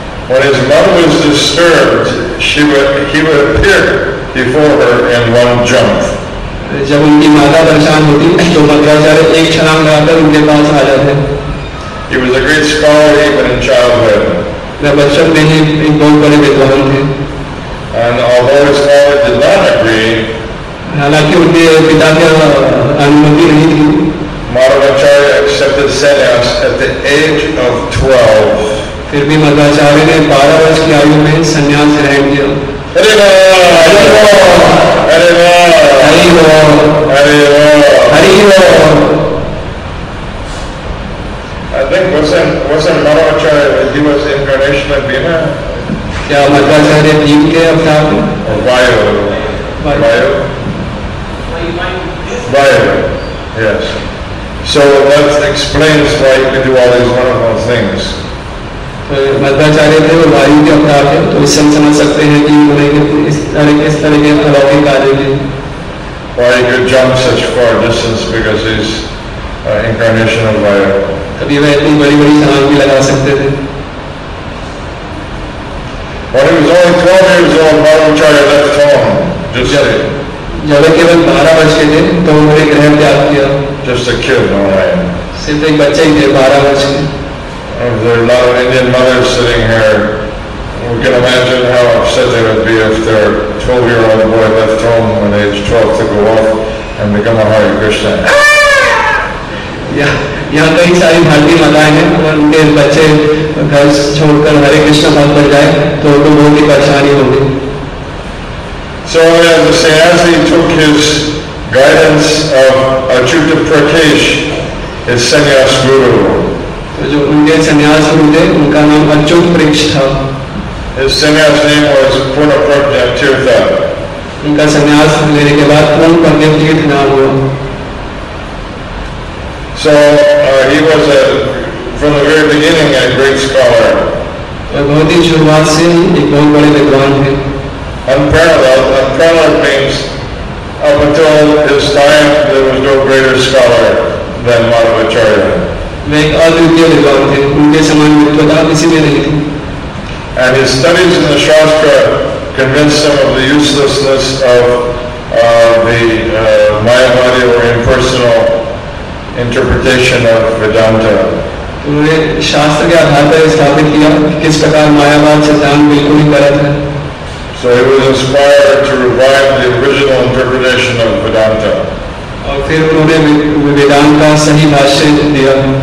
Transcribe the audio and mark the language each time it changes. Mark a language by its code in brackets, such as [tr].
[en] When his mother was disturbed, he would appear before her in one jump. [hi] जब उनकी माता परेशान होती तो मध्वाचार्य एक छलांग लगाकर उनके पास आ जाते. [en] He was a great scholar even in childhood. [hi] वह बचपन में ही एक बहुत बड़े विद्वान थे. [en] And although his father did not agree, [hi] हालांकि उनके पिता की अनुमति नहीं थी, [en] Madhvacharya accepted sannyas at the age of 12. [hi] फिर भी मध्वाचार्य ने 12 वर्ष की आयु में सन्यास ग्रहण किया. अरे वाह, अरे वाह, अरे वाह, अरे वाह, अरे वाह, अरे वाह. [en] I think wasn't Madhvacharya, he was incarnation of Bhima. [hi] क्या मध्वाचार्य भीम के अवतार थे? [en] Vayu. Yes. So that explains why you can do all these wonderful things. [hi] Madhvacharya थे और वायु के अवतार थे, तो इससे हम समझ सकते हैं कि उन्होंने इस तरह के अलौकिक कार्य किए. [en] Why he could jump such far distance because he's incarnation of wire. [hi] तभी वह इतनी बड़ी बड़ी छलांग भी लगा सकते थे. [en] When he was only 12 years old, Madhvacharya left home. [hi] जब वह केवल 12 वर्ष के थे तो उन्होंने गृह त्याग किया. [en] Just a kid, no way. [hi] सिर्फ एक बच्चा ही थे 12 वर्ष के. [en] If there are a lot of Indian mothers sitting here, we can imagine how upset they would be if their 12-year-old boy left home when age 12 to go off and become a Hare Krishna. [hi] यहाँ कई सारी भारतीय माताएं हैं, अगर उनके बच्चे घर छोड़कर हरे कृष्ण भक्त बन जाए तो उनको बहुत ही परेशानी होगी. [en] So as the Sanyasi took his guidance of Achyuta Prakash, his sannyas guru. [hi] जो उनके सन्यास गुरु थे उनका नाम अच्युत प्रेक्ष था. [en] His sannyas name was Purnaprajna Tirtha. [hi] उनका संन्यास लेने के बाद पूर्ण करने के लिए तैयार हुआ. [en] So he was a from the very beginning a great scholar. [hi] बहुत ही शुरुआत से एक बहुत बड़े विद्वान हैं. [en] Unparalleled means up until his time there was no greater scholar than Madhvacharya. [hi] वे एक अद्वितीय विद्वान थे. उनके समान विद्वता किसी में नहीं थी. [en] And his studies in the Shastra convinced him of the uselessness of the Mayavadi or impersonal interpretation of Vedanta. [hi] उन्होंने शास्त्र के आधार पर स्थापित किया किस प्रकार मायावाद सिद्धांत बिल्कुल ही गलत है. [en] So he was inspired to revive the original interpretation of Vedanta. [hi] और फिर उन्होंने वेदांत का सही भाष्य दिया.